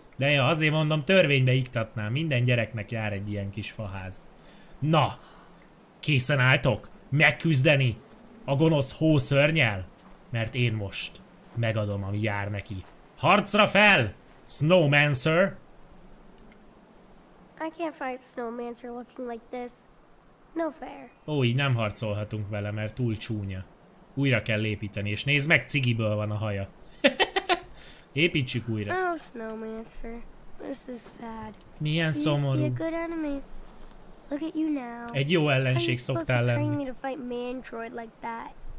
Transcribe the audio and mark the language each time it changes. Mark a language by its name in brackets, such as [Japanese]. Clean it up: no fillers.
[Hungarian] De ja, azért mondom, törvénybe iktatnám. Minden gyereknek jár egy ilyen kis faház. Na! Készen álltok? Megküzdeni? A gonosz hószörnyel? Mert én most megadom, ami jár neki. Harcra fel! Snowmancer? [English] I can't fight Snowmancer looking like this. No fair. [Hungarian] Ó, így nem harcolhatunk vele, mert túl csúnya. Újra kell építeni, és nézd meg, cigiből van a haja. Építsük újra. [English] Oh, Snowmancer. This is sad. [Hungarian] Milyen szomorú. [English] You're a good enemy. Look at you now. [Hungarian] Egy jó ellenség szoktál lenni. [English] How are you supposed to train me to fight Mandroid like that?